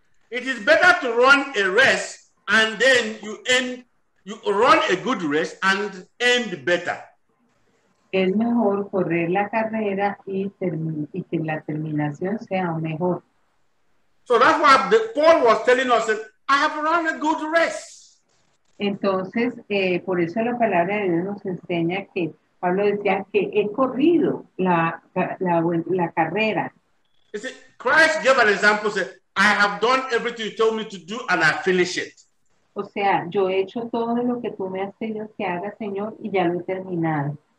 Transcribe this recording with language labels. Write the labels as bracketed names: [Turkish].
[English] It is better to run a race and then you end. You run a good race and end better. [Spanish] Es mejor correr la carrera y que la terminación sea mejor. [English] So that's why Paul was telling us, I have run a good race. [Spanish] Entonces, por eso la palabra de Dios nos enseña que Pablo decía que he corrido la carrera. [English] You see, Christ gave an example, said, I have done everything you told me to do and I finish it. [Spanish] O sea, yo he hecho todo lo que tú me has pedido que haga, Señor, y ya lo he terminado.